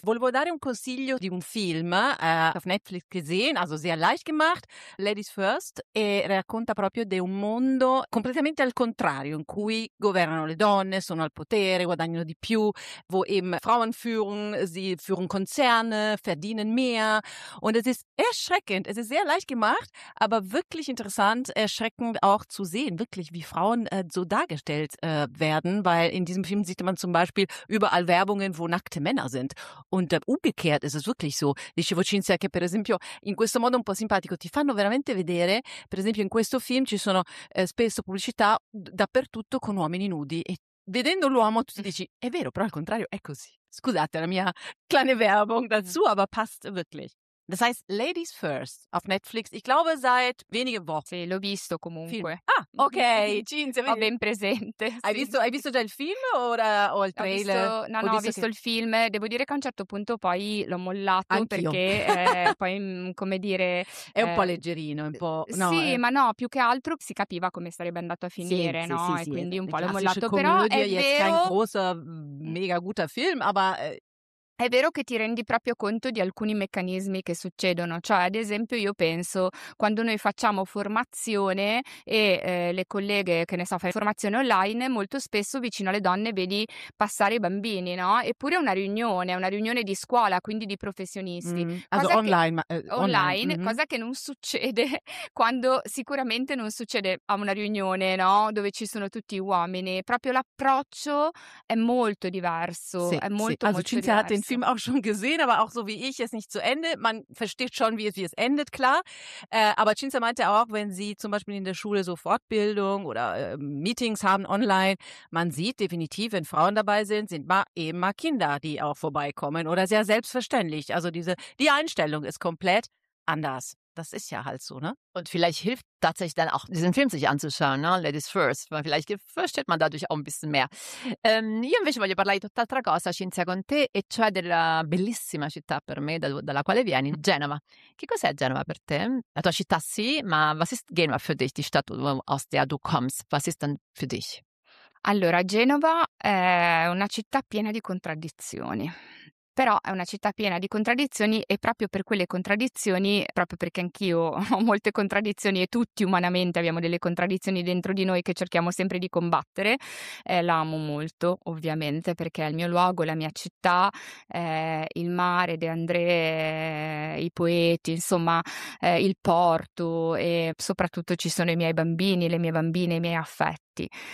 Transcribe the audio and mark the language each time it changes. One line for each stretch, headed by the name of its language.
Italian: Volevo dare un consiglio di un film
German: auf Netflix gesehen, also sehr leicht gemacht,
Italian: Ladies First, e racconta proprio di un mondo completamente al contrario, in cui governano le donne, sono al potere, guadagnano di più,
German: wo eben Frauen führen, sie führen Konzerne, verdienen mehr. Und es ist erschreckend, es ist sehr leicht gemacht, aber wirklich interessant, erschreckend auch zu sehen, wirklich, wie Frauen so dargestellt werden, weil in diesem Film sieht man zum Beispiel überall Werbungen, wo nackte Männer sind. Und umgekehrt ist es wirklich so.
Italian: Dicevo Cinzia che per esempio in questo modo un po' simpatico ti fanno veramente vedere, per esempio in questo film ci sono spesso pubblicità dappertutto con uomini nudi, e vedendo l'uomo tu dici, è vero, però al contrario è così. Scusate la mia
German: kleine Werbung dazu, aber passt wirklich. Das heißt, Ladies First auf Netflix, ich glaube, seit wenigen Wochen.
Italian: Sì, l'ho visto comunque. Film. Ah, okay. Cinzia, ho ben presente. Hai, sì. hai visto già il film o il trailer? Ho visto il film. Devo dire che a un certo punto poi l'ho mollato. Anch'io. Perché poi, come dire... È un po' leggerino, un po'... No, sì, ma no, più che altro si capiva come sarebbe andato a finire, sì, no? Sì, sì, e sì, quindi sì, un po' l'ho mollato, però è vero...
German: Un großer, mega guter Film, aber...
Italian: È vero che ti rendi proprio conto di alcuni meccanismi che succedono, cioè ad esempio io penso, quando noi facciamo formazione e le colleghe, che ne so, fai formazione online, molto spesso vicino alle donne vedi passare i bambini, no? Eppure è una riunione di scuola, quindi di professionisti. Mm. Cosa online, online. Mm-hmm. Cosa che non succede, quando sicuramente non succede a una riunione, no? Dove ci sono tutti uomini, proprio l'approccio è molto diverso, sì, è molto, sì. Also, molto diverso.
German: Den Film auch schon gesehen, aber auch so wie ich, es nicht zu Ende. Man versteht schon, wie es endet, klar. Aber Cinzia meinte auch, wenn sie zum Beispiel in der Schule so Fortbildung oder Meetings haben online, man sieht definitiv, wenn Frauen dabei sind, sind eben mal Kinder, die auch vorbeikommen, oder sehr selbstverständlich. Also die Einstellung ist komplett anders. Das ist ja halt so, ne? Und vielleicht hilft tatsächlich dann auch, diesen Film sich anzuschauen, ne? Ladies First. Vielleicht versteht man dadurch auch ein bisschen mehr.
Italian: Io invece voglio parlare di tutt'altra cosa, Cinzia, con te, e cioè della bellissima città per me, dalla quale vieni, Genova. Che cos'è Genova per te? La tua città sì, ma
German: was ist Genova für dich, die Stadt, aus der du kommst? Was ist denn für dich?
Italian: Allora, Genova è una città piena di contraddizioni. Però è una città piena di contraddizioni, e proprio per quelle contraddizioni, proprio perché anch'io ho molte contraddizioni e tutti umanamente abbiamo delle contraddizioni dentro di noi che cerchiamo sempre di combattere, l'amo molto, ovviamente, perché è il mio luogo, la mia città, il mare, De André, i poeti, insomma, il porto, e soprattutto ci sono i miei bambini, le mie bambine, i miei affetti.